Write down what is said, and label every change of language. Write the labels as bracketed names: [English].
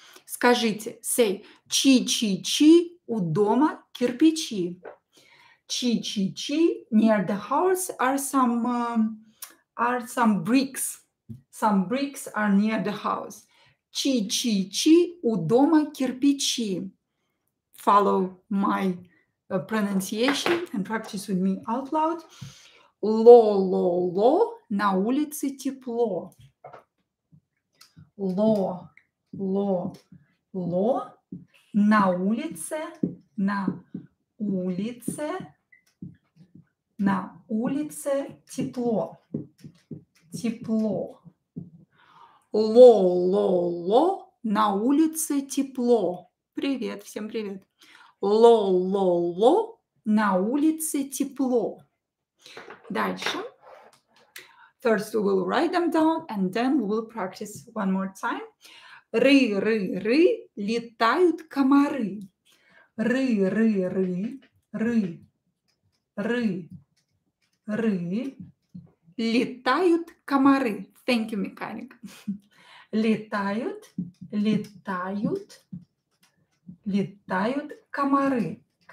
[Russian] Скажите, say, чи-чи-чи, у дома кирпичи. [English] Чи-чи-чи, near the house are some bricks. Some bricks are near the house. [Russian] Чи-чи-чи, у дома кирпичи. [English] Follow my pronunciation and practice with me out loud. [Russian] Ло-ло-ло, на улице тепло. Ло, ло, ло, на улице тепло, тепло. Ло, ло, ло, на улице тепло. Привет, всем привет. Ло, ло, ло, на улице тепло. Дальше. [English] First we will write them down and then we will practice one more time. [Russian] Ры-ры-ры, летают комары. Ры-ры-ры, ры-ры-ры, летают комары. [English] Thank you, mechanic. [Russian] Летают, летают, летают комары.